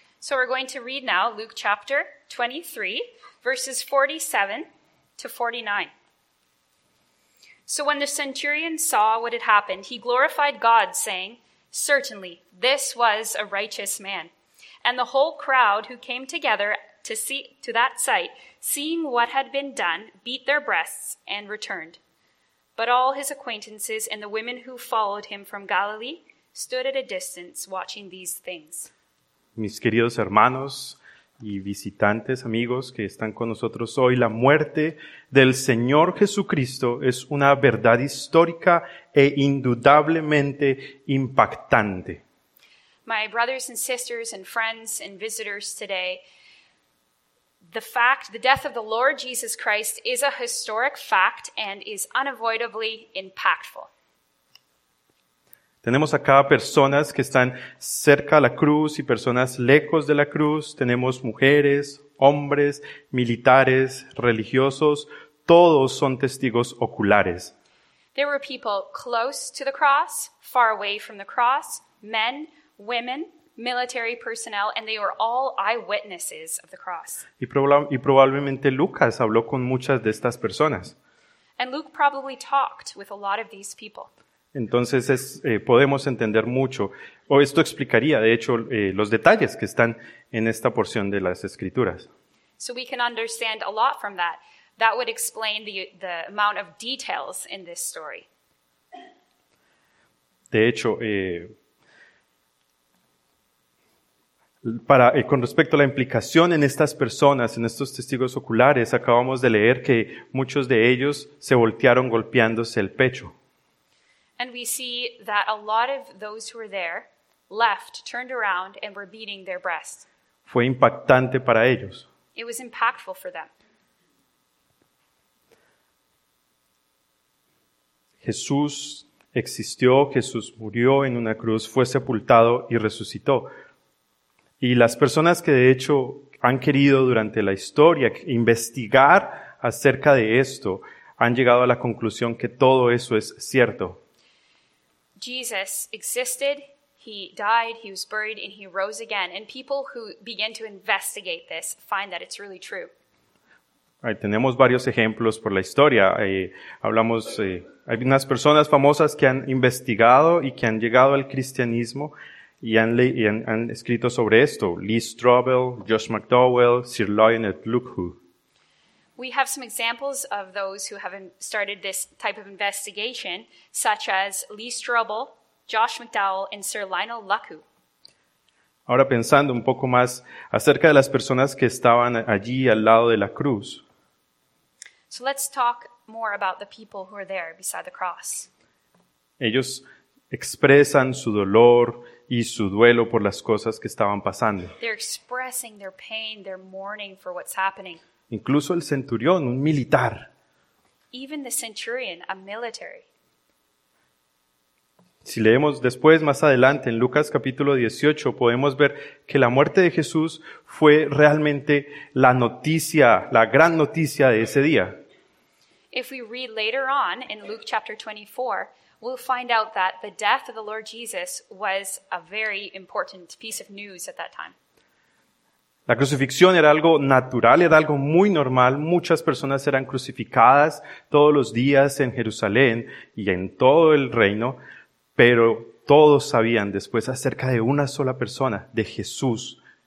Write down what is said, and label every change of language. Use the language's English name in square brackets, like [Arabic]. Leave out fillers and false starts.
[English] So we're going to read now Luke chapter 23 verses 47 to 49. So when the centurion saw what had happened, he glorified God, saying, "Certainly, this was a righteous man." And the whole crowd who came together to see to that sight, seeing what had been done, beat their breasts and returned. But all his acquaintances and the women who followed him from Galilee stood at a distance watching these things. [Spanish] Mis queridos hermanos y visitantes, amigos que están con nosotros hoy, la muerte del Señor Jesucristo es una verdad histórica e indudablemente impactante. [English] My brothers and sisters and friends and visitors today, the fact, the death of the Lord Jesus Christ is a historic fact and is unavoidably impactful. [Spanish] Tenemos acá personas que están cerca a la cruz y personas lejos de la cruz. Tenemos mujeres, hombres, militares, religiosos. Todos son testigos oculares. [English] There were people close to the cross, far away from the cross, men, women, military personnel, and they were all eyewitnesses of the cross. [Spanish] Y probablemente Lucas habló con muchas de estas personas. [English] And Luke probably talked with a lot of these people. [Spanish] Entonces es, podemos entender mucho, o esto explicaría, de hecho, los detalles que están en esta porción de las Escrituras. [English] So we can understand a lot from that. That would explain the amount of details in this story. [Spanish] De hecho, para, con respecto a la implicación en estas personas, en estos testigos oculares, acabamos de leer que muchos de ellos se voltearon golpeándose el pecho. [English] And we see that a lot of those who were there left, turned around, and were beating their breasts. [Spanish] Fue impactante para ellos. [English] It was impactful for them. [Spanish] Jesús existió, Jesús murió en una cruz, fue sepultado y resucitó. Y las personas que de hecho han querido durante la historia investigar acerca de esto han llegado a la conclusión que todo eso es cierto. [English] Jesus existed, he died, he was buried, and he rose again. And people who begin to investigate this find that it's really true. [Spanish] Ahí tenemos varios ejemplos por la historia. Hablamos, hay unas personas famosas que han investigado y que han llegado al cristianismo y han escrito sobre esto. Lee Strobel, Josh McDowell, Sir Lionel Lukehoo. [English] We have some examples of those who have started this type of investigation, such as Lee Strobel, Josh McDowell, and Sir Lionel Lukehoo. [Spanish] Ahora pensando un poco más acerca de las personas que estaban allí al lado de la cruz. [English] So let's talk more about the people who are there beside the cross. [Spanish] Ellos expresan su dolor y su duelo por las cosas que estaban pasando. [English] They're expressing their pain, their mourning for what's happening. [Spanish] Incluso el centurión, un militar. [English] Even the centurion, a military. [Spanish] Si leemos después, más adelante, en Lucas capítulo 18, podemos ver que la muerte de Jesús fue realmente la noticia, la gran noticia de ese día. [English] If we read later on in Luke chapter 24, we'll find out that the death of the Lord Jesus was a very important piece of news at that time. [Spanish] La crucifixión era algo natural, era algo muy normal. Muchas personas eran crucificadas todos los días en Jerusalén y en todo el reino, pero todos sabían después acerca de una sola persona, de Jesús.